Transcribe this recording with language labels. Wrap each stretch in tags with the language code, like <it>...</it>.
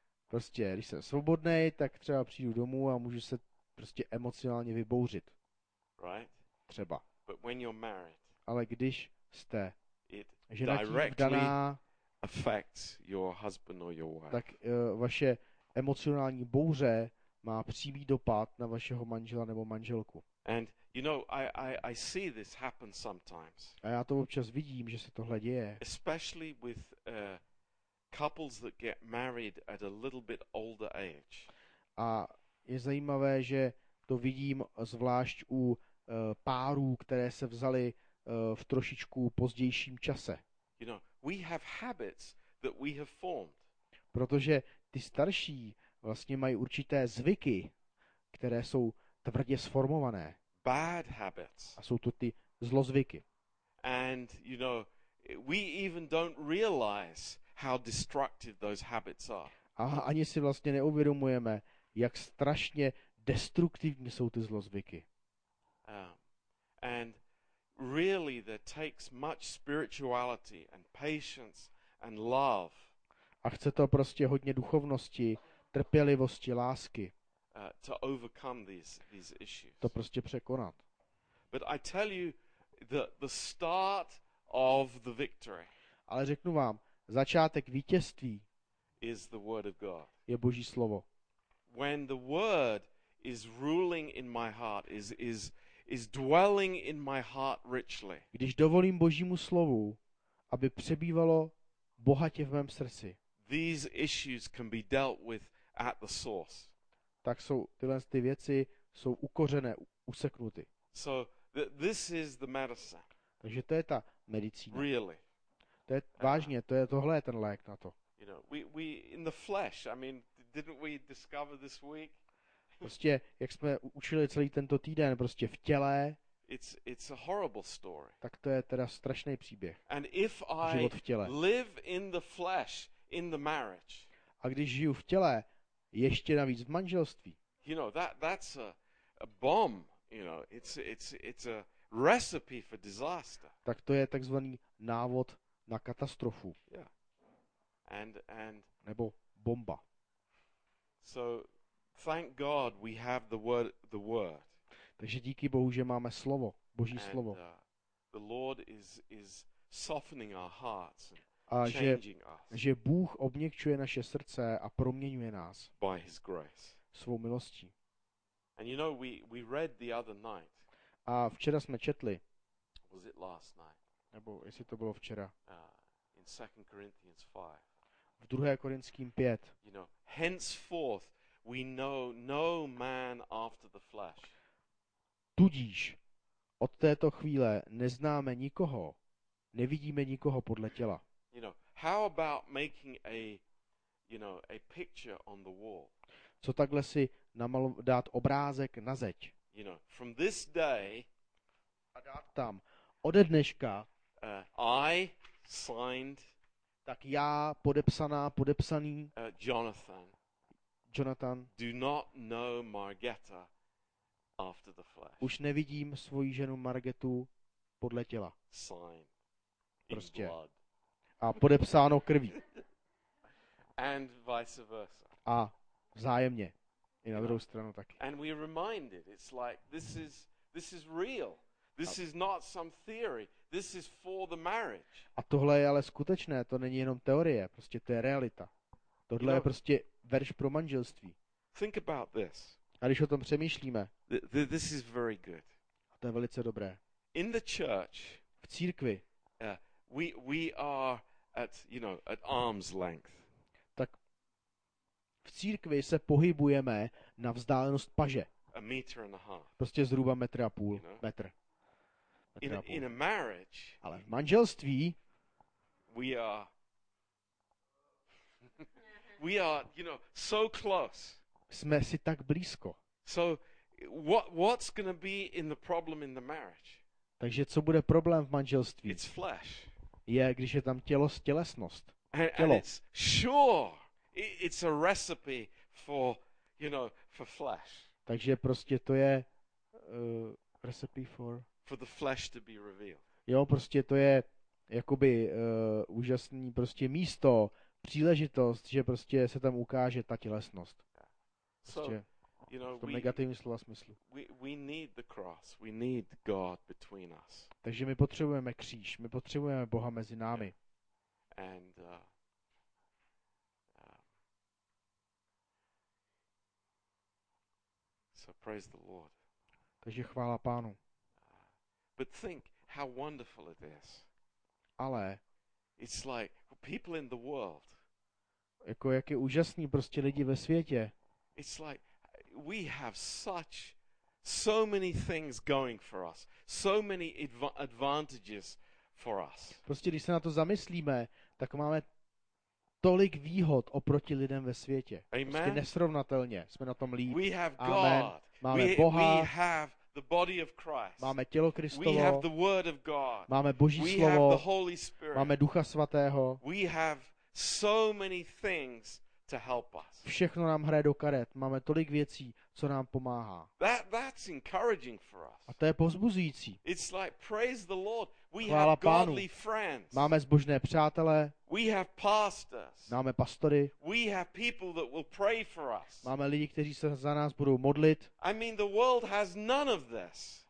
<cs>Prostě, když jsem svobodný, tak třeba přijdu domů a můžu se prostě emocionálně vybouřit.</cs> <en>Right?</en> <cs>Třeba.</cs> <en>But when you're married,</en> <cs>ale když jste ženatí, vdaná,</cs> <en>affects your husband or your wife.</en> <cs>Tak vaše emocionální bouře má přímý dopad na vašeho manžela nebo manželku.</cs> <en>And you know, I see this happen sometimes.</en> <cs>A já to občas vidím, že se tohle děje.</cs> <en>Especially with couples that get married at a little bit older age.</en> <cs>A je zajímavé, že to vidím zvlášť u párů, které se vzali v trošičku pozdějším čase.</cs> <en>You know, we have habits that we have formed.</en> <cs>Protože ty starší vlastně mají určité zvyky, které jsou tvrdě sformované.</cs> <en>Bad habits.</en> <cs>A jsou to ty zlozvyky.</cs> <en>And you know, we even don't realize how destructive those habits are.</en> <cs>A ani si vlastně neuvědomujeme, jak strašně destruktivní jsou ty zlozvyky.</cs> <en>And really that takes much spirituality and patience and love.</en> <cs>A chce to prostě hodně duchovnosti, trpělivosti, lásky.</cs> <en>To overcome these issues.</en> <cs>To prostě překonat.</cs> <en>But I tell you the start of the victory.</en> <cs>Ale řeknu vám, začátek vítězství</cs> <en>is the word of God.</en> <cs>Je Boží slovo.</cs> <en>When the word is ruling in my heart is dwelling in my heart richly.</en> <cs>Když dovolím Božímu slovu, aby přebývalo bohatě v mém srdci.</cs> <en>These issues can be dealt with at the source.</en> <cs>Tak jsou tyhle ty věci jsou ukořené, useknuty.</cs> <en>So this is the medicine.</en> <cs>Takže to je ta medicína.</cs> <en>Really.</en> <cs>To je vážně, to je tohle je ten lék na to.</cs> <en>You know, we in the flesh, I mean, didn't we discover this week?</en> <cs>Prostě, jak jsme učili celý tento týden, prostě v těle,</cs> <en>it's a horrible story.</en> <cs>Tak to je teda strašný příběh.</cs> <en>And if</en> <cs>život v těle.</cs> <en>Live in the flesh, in the marriage,</en> <cs>a když žiju v těle, ještě navíc v manželství.</cs> <en>You know, that's a bomb, you know, it's a recipe for disaster.</en> <cs>Tak to je takzvaný návod na katastrofu.</cs> <en>Yeah. And</en> <cs>nebo bomba.</cs> <en>So thank God we have the word.</en> <cs>Takže díky Bohu, že máme slovo, Boží slovo.</cs> <en>And, the Lord is softening our hearts and changing us.</en> <cs>Že Bůh obměkčuje naše srdce a proměňuje nás.</cs> <en>By his grace.</en> <cs>Svou milostí.</cs> <en>And you know we read the other night.</en> <cs>A včera jsme četli.</cs> <en>Was it last night?</en> <cs>Nebo jestli to bylo včera.</cs> <en>In 2 Corinthians 5.</en> <cs>V 2. Korinským 5.</cs> <en>You know, henceforth we know no man after the flesh.</en> <cs>Tudíž od této chvíle neznáme nikoho, nevidíme nikoho podle těla.</cs> <en>You know, how about making a, you know, a picture on the wall?</en> <cs>Co takhle si dát obrázek na zeď?</cs> <en>You know, from this day,</en> <cs>a dát tam ode dneška,</cs> <en>I signed,</en> <cs>tak já podepsaný Jonathan. Jonathan.</cs> <en>Do not know Margetta after the flesh.</en> <cs>Už nevidím svoji ženu Margetu podle těla.</cs> <en>Sign.</en> <cs>prostě. A podepsáno krví.</cs> <en>And vice versa.</en> <cs>A vzájemně. I na druhou stranu taky.</cs> <en>And we are reminded, it's like this is real. This is not some theory. This is for the marriage.</en> <cs>A tohle je ale skutečné, to není jenom teorie, prostě to je realita. Tohle je prostě verš pro manželství.</cs> <en>Think about this.</en> <cs>A když o tom přemýšlíme.</cs> <en>This is very good.</en> <cs>A to je velice dobré.</cs> <en>In the church,</en> <cs>v církvi,</cs> <en>we are at, you know, at arm's length.</en> <cs>Tak v církvi se pohybujeme na vzdálenost paže.</cs> <en>A meter and a half.</en> <cs>Prostě zhruba metr a půl, metr.</cs> <en>In a marriage,</en> <cs>ale v manželství</cs> <en>we are, you know, so close.</en> <cs>Jsme si tak blízko.</cs> <en>So what's going to be in the problem in the marriage?</en> <cs>Takže co bude problém v manželství?</cs> <en>It's flesh.</en> <cs>Je, když je tam tělo, tělesnost. Tělo.</cs> <en>And it's a recipe for, you know, for flesh.</en> <cs>Takže prostě to je</cs> <en>recipe for. For the flesh to be revealed.</en> <cs>Jo, prostě to je jakoby úžasný prostě místo, příležitost, že prostě se tam ukáže ta tělesnost. Prostě</cs> <en>so, you know,</en> <cs>v tom negativním slova smyslu.</cs> <en>We need the cross. We need God between us.</en> <cs>Takže my potřebujeme kříž, my potřebujeme Boha mezi námi.</cs> <en>Yeah. And so praise the Lord.</en> <cs>Takže chvála Pánu.</cs> <en>But think how wonderful it is.</en> <cs>Ale</cs> <en>it's like people in the world.</en> <cs>Jako jak je úžasný prostě lidi ve světě.</cs> <en>It's like we have so many things going for us. So many advantages for us.</en> <cs>Prostě když se na to zamyslíme, tak máme tolik výhod oproti lidem ve světě. Amen. Prostě nesrovnatelně jsme na tom líp.</cs> <en>We have Amen. God.</en> <cs>Máme</cs> <en>we,</en> <cs>Boha.</cs> <en>We have the body of Christ.</en> <cs>Máme tělo Kristovo.</cs> <en>We have the word of God.</en> <cs>Máme Boží</cs> <en>we</en> <cs>slovo.</cs> <en>Have the Holy Spirit.</en> <cs>Máme Ducha svatého.</cs> <en>We have so many things to help us.</en> <cs>Všechno nám hraje do karet. Máme tolik věcí, co nám pomáhá.</cs> <en>That's encouraging for us.</en> <cs>A to je povzbuzující.</cs> <en>It's like praise the Lord. We</en> <cs>Chvála</cs> <en>have godly friends.</en> <cs>Máme zbožné přátelé.</cs> <en>We have pastors.</en> <cs>Máme pastory.</cs> <en>We have people that will pray for us.</en> <cs>Máme lidi, kteří se za nás budou modlit.</cs> <en>I mean, the world has none of this.</en>